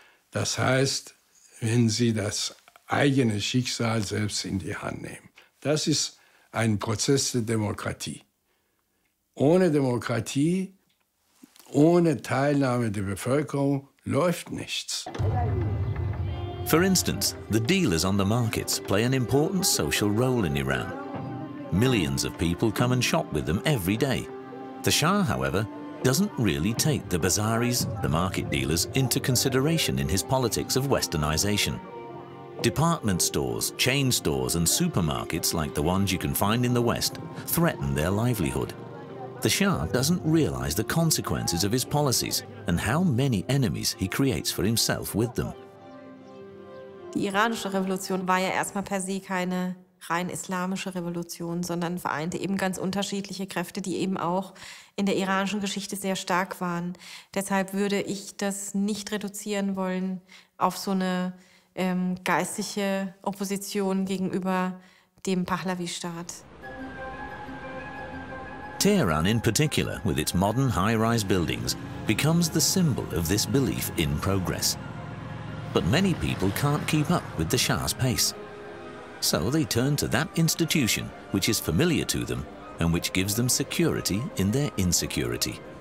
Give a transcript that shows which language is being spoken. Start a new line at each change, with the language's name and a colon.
German: Das heißt, wenn sie das eigene Schicksal selbst in die Hand nehmen. Das ist ein Prozess der Demokratie. Ohne Demokratie, ohne Teilnahme der Bevölkerung, läuft nichts.
English: For instance, the dealers on the markets play an important social role in Iran. Millions of people come and shop with them every day. The Shah, however, doesn't really take the bazaaris, the market dealers, into consideration in his politics of westernization. Department stores, chain stores, and supermarkets like the ones you can find in the West threaten their livelihood. The Shah doesn't realize the consequences of his policies and how many enemies he creates for himself with them.
German: Die iranische Revolution war ja erstmal per se keine rein islamische Revolution, sondern vereinte eben ganz unterschiedliche Kräfte, die eben auch in der iranischen Geschichte sehr stark waren. Deshalb würde ich das nicht reduzieren wollen auf so eine geistige Opposition gegenüber dem Pahlavi-Staat.
English: Tehran in particular, with its modern high-rise buildings, becomes the symbol of this belief in progress. But many people can't keep up with the Shah's pace. So they turn to that institution which is familiar to them and which gives them security in their insecurity.